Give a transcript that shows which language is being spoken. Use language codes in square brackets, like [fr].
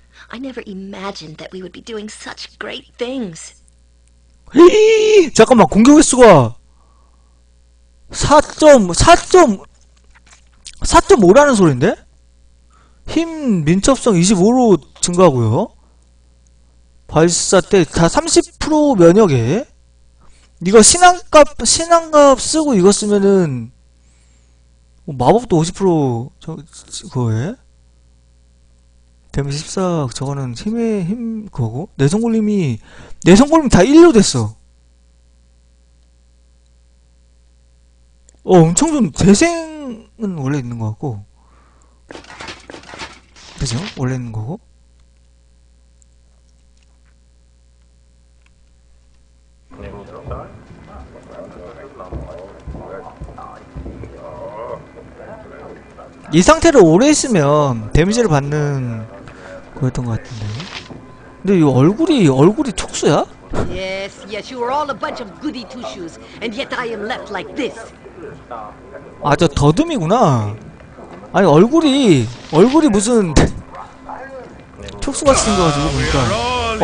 [en] I never imagined that we would be doing such great things. [ko] 잠깐만, 공격 횟수가 4.5라는 소린데? 힘 민첩성 25로 증가하고요. 발사 때 다 30% 면역에 이거 신앙값 쓰고 이거 쓰면은 마법도 50% 그거에 데미지 14, 저거는 힘 그거고. 내성골림이 다 1로 됐어. 어, 엄청 좀, 재생은 원래 있는 것 같고. 그죠? 원래 있는 거고. 이 상태로 오래 있으면 데미지를 받는 그랬던 것 같은데. 근데 이 얼굴이 촉수야? [en] Yes, yes, you are all a bunch of goody two shoes, and yet I am left like this. [ko] 아, 저 더듬이구나. 아니, 얼굴이 무슨 촉수 같이 생겨가지고 보니까.